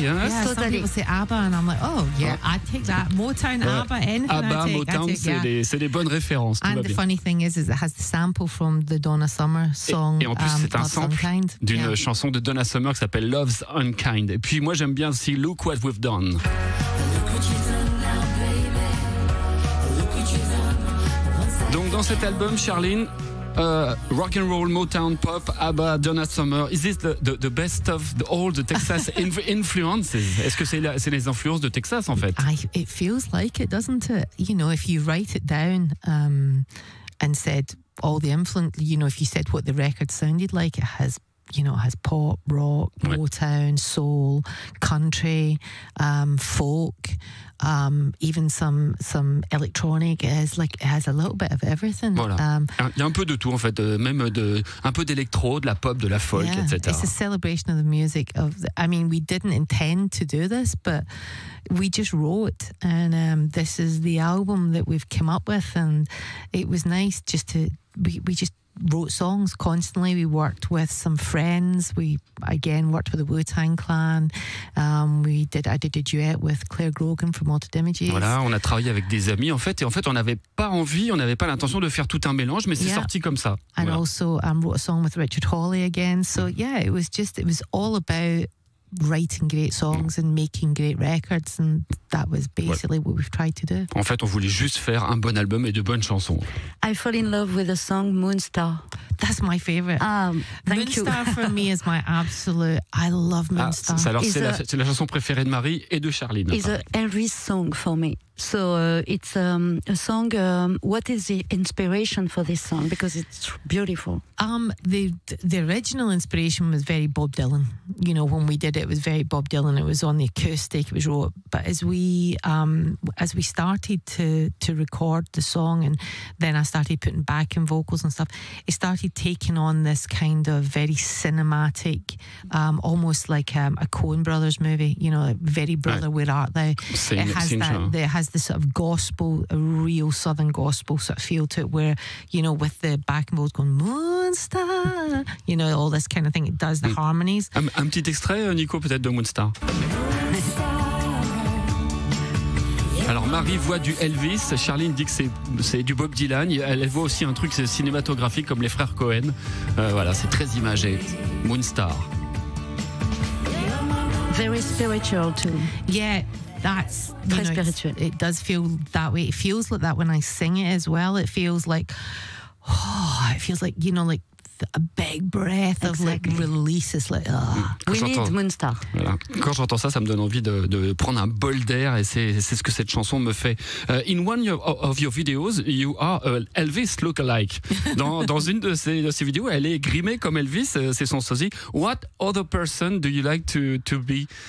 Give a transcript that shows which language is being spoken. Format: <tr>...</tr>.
<en>Yeah, some people say ABBA, and I'm like, oh, yeah, I'd take that. Motown,</en> <fr>ouais.</fr> <en>ABBA, anything ABBA, I take, Motown, I take,</en> <fr>c'est, yeah. C'est des bonnes références.</fr> <en>And the funny thing is it has the sample from the Donna Summer song.</en> <fr>Et en plus, c'est un sample d'une chanson de Donna Summer qui s'appelle Love's Unkind. Et puis moi, j'aime bien aussi Look What We've Done. Donc dans cet album, Charlene, rock and roll, Motown, pop, ABBA, Donna Summer.</fr> <en>Is this the best of the, all the Texas influences?</en> <fr>Est-ce que c'est les influences de Texas en fait?</fr> <en>It feels like it, doesn't it? You know, if you write it down and said all the influence, you know, if you said what the record sounded like, it has, you know, it has pop, rock, Motown, soul, country, folk, even some electronic. Is like it has a little bit of everything.</en> <fr>Voilà. Il y a un peu de tout en fait, même de un peu d'électro, de la pop, de la folk,</fr> <en>yeah,</en> <fr>etc.</fr> <en>It's a celebration of the music of. I mean, we didn't intend to do this, but we just wrote, and this is the album that we've come up with, and it was nice just to we just wrote songs constantly. We worked with some friends. We again worked with the Wu-Tang Clan. I did a duet with Claire Grogan from Altered Images.</en> <fr>Voilà, on a travaillé avec des amis en fait, et en fait on n'avait pas envie, on n'avait pas l'intention de faire tout un mélange, mais c'est sorti comme ça.</fr> <en>And</en> <fr>voilà.</fr> <en>Also, wrote a song with Richard Hawley again. So yeah, it was all about writing great songs and making great records, and that was basically what we've tried to do.</en> <fr>En fait, on voulait juste faire un bon album et de bonnes chansons.</fr> <en>I fall in love with the song Moonstar. That's my favorite. Thank you. Moonstar for me is my absolute. I love Moonstar.</en> <fr>Ah, alors c'est la chanson préférée de Marie et de Charlene.</fr> <en>It's Elvis song for me. So it's a song. What is the inspiration for this song? Because it's beautiful. The original inspiration was very Bob Dylan. You know, when we did it, it was very Bob Dylan. It was on the acoustic. It was raw. But as we started to record the song, and then I started putting backing vocals and stuff, it started taking on this kind of very cinematic, almost like a Coen Brothers movie. You know, like very Brother, Where Art Thou? This sort of gospel, a real southern gospel sort of feel to it, where, you know, with the back and forth going Moonstar, you know, all this kind of thing, it does the harmonies.</en> <fr>Un petit extrait, Nico, peut-être de Moonstar. Alors Marie voit du Elvis, Charlene dit que c'est du Bob Dylan, elle voit aussi un truc cinématographique comme les frères Cohen. Voilà, c'est très imagé. Moonstar.</fr> <en>Very spiritual too. Yeah. That's</en> <fr>très spirituel.</fr> <en>It does feel that way. It feels like that when I sing it as well. It feels like, oh, it feels like, you know, like a big breath of like release. It's like, oh. We need Moonstar.</en> <fr>Voilà. Quand j'entends ça, ça me donne envie de prendre un bol d'air, et c'est ce que cette chanson me fait.</fr> <en>In one of your videos, you are Elvis lookalike.</en> <fr>Dans une de ces vidéos, elle est grimée comme Elvis. C'est son sosie.</fr> <en>What other person do you like to be?</en>